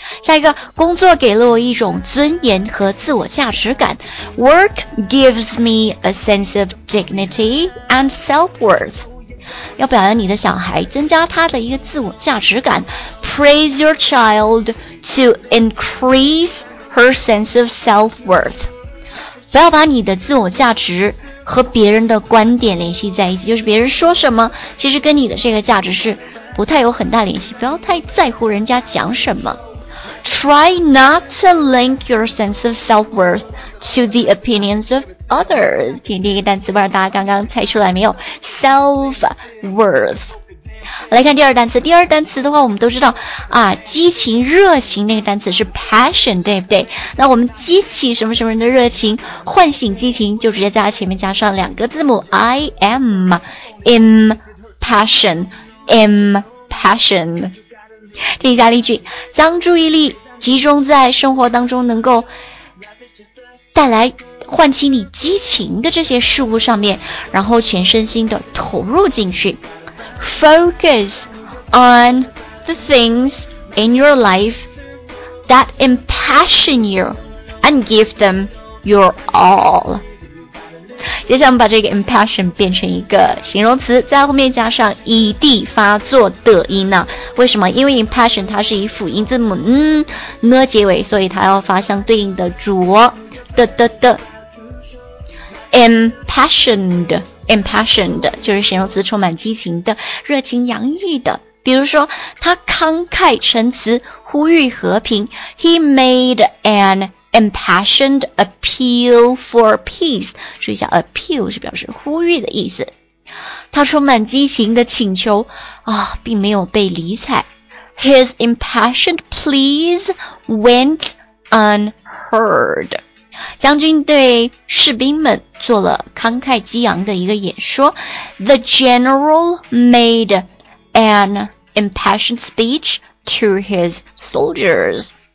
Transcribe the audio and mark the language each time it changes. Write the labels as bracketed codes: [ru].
[zh] 下一个，工作给了我一种尊严和自我价值感。 [en] Work gives me a sense of dignity and self-worth. [zh] 要表扬你的小孩，增加他的一个自我价值感。 [en] Praise your child to increase her sense of self-worth. [zh] 不要把你的自我价值和别人的观点联系在一起，就是别人说什么，其实跟你的这个价值是不太有很大联系，不要太在乎人家讲什么。 [en] Try not to link your sense of self-worth to the opinions of others. [zh] 听第一个单词，不知道大家刚刚猜出来没有？ Self-worth. 来看第二单词。第二单词的话，我们都知道啊，激情、热情那个单词是 passion， 对不对？那我们激起什么什么人的热情，唤醒激情，就直接在前面加上两个字母 I am impassion, impassion. 听一下例句，将注意力集中在生活当中能够带来唤起你激情的这些事物上面，然后全身心的投入进去。 [en] Focus on the things in your life that impassion you and give them your all. [zh] 接下来我们把这个 impassion 变成一个形容词，在后面加上 ed 发作的音呢、啊。为什么？因为 impassion 它是以辅音字母呢结尾，所以它要发相对应的浊的的的。 impassioned 就是形容词，充满激情的，热情洋溢的。比如说，他慷慨陈词，呼吁和平。 [en] He made an impassioned appeal for peace. [zh] 注意一下 ，appeal 是表示呼吁的意思。他充满激情的请求啊、哦，并没有被理睬。 [en] His impassioned pleas went unheard. [zh] 将军对士兵们做了慷慨激昂的一个演说。 [en] The general made an impassioned speech to his soldiers.